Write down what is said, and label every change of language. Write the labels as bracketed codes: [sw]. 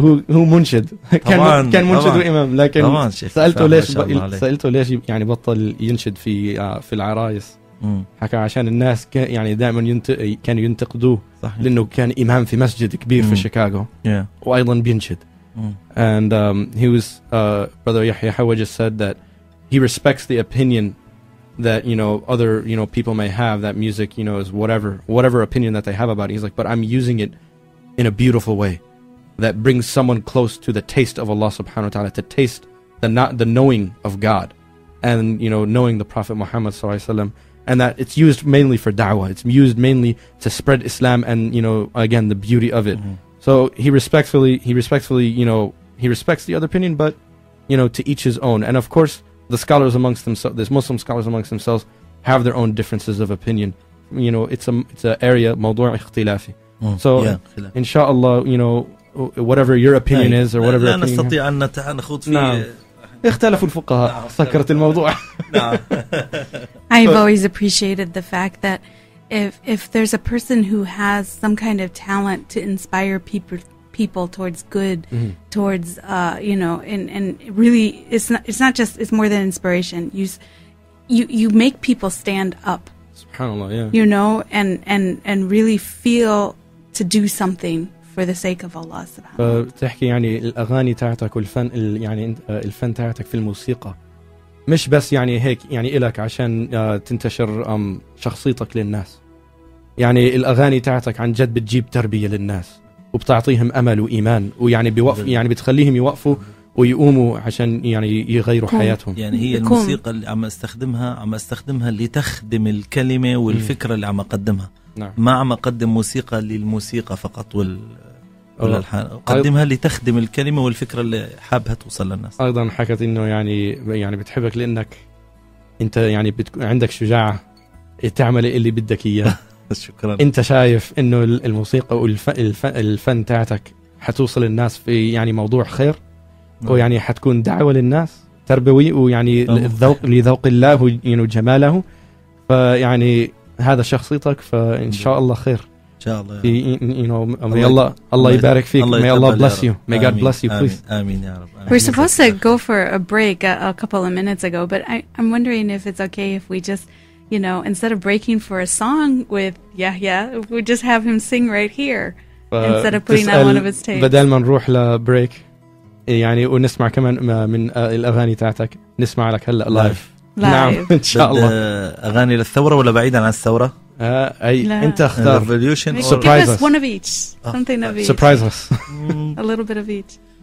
[ar] هو منشد كان منشد وإمام لكن سألته ليش يعني بطل ينشد في العرايس حكى عشان الناس كان يعني دائما كانوا ينتقدوه صحيح. لأنه كان إمام في مسجد كبير في شيكاغو وأيضا بينشد [en] and he was brother Yahya Hawa just said that he respects the opinion that you know other you know people may have that music you know is whatever opinion that they have about it. He's like but I'm using it in a beautiful way that brings someone close to the taste of Allah subhanahu wa ta'ala to taste the knowing of God and you know knowing the Prophet Muhammad sallallahu alaihi wasallam And that it's used mainly for da'wah. It's used mainly to spread Islam and, you know, again, the beauty of it. Mm-hmm. So he respectfully, you know, he respects the other opinion, but, you know, to each his own. And of course, the scholars amongst themselves, there's Muslim scholars amongst themselves, have their own differences of opinion. You know, it's an area, [ar] موضوع اختلافي. [en] So, yeah. inshallah, you know, whatever your opinion is or whatever opinion. [ar] لا نستطيع أن نخوض في... اختلفوا الفقهاء سكرت الموضوع [en] I've always appreciated the fact that if there's a person who has some kind of talent to inspire people towards good towards you know and really it's more than inspiration you make people stand up subhanallah yeah you know and really feel to do something for the sake of Allah subhanahu wa ta'ala [ar] تحكي يعني الاغاني تاعتك والفن يعني الفن تاعتك في الموسيقى مش بس يعني هيك يعني لك عشان تنتشر شخصيتك للناس يعني الاغاني تاعتك عن جد بتجيب تربيه للناس وبتعطيهم امل وايمان ويعني بيوقف يعني بتخليهم يوقفوا ويقوموا عشان يعني يغيروا حياتهم يعني هي الموسيقى اللي عم استخدمها لتخدم الكلمه والفكره اللي عم اقدمها نعم. ما عم أقدم موسيقى للموسيقى فقط أقدمها لتخدم الكلمة والفكرة اللي حابها توصل للناس أيضا حكت إنه يعني بتحبك لأنك أنت يعني عندك شجاعة تعمل اللي بدك إياه شكرا أنت شايف إنه الموسيقى والفن تاعتك حتوصل للناس في يعني موضوع خير ويعني حتكون دعوة للناس تربوي ويعني لذوق الله وجماله فيعني هذا شخصيتك فان شاء الله خير ان شاء الله يا رب. [en] You know, [ar] الله يبارك فيك الله [en] may Allah bless you may God bless you please [ar] آمين يا رب آمين. [en] We're supposed to go for a break a couple of minutes ago but I'm wondering if it's okay if we just you know instead of breaking for a song with Yahya we just have him sing right here instead of putting out one of his tapes [ar] بدل ما نروح لبريك يعني ونسمع كمان من الأغاني تاعتك نسمع لك هلأ لايف. نعم إن شاء الله. أغاني للثورة ولا بعيدا عن الثورة؟ أي أنت اختار. [en] Revolution or surprise us. One of each. Something of each. Surprise us. A little bit of each.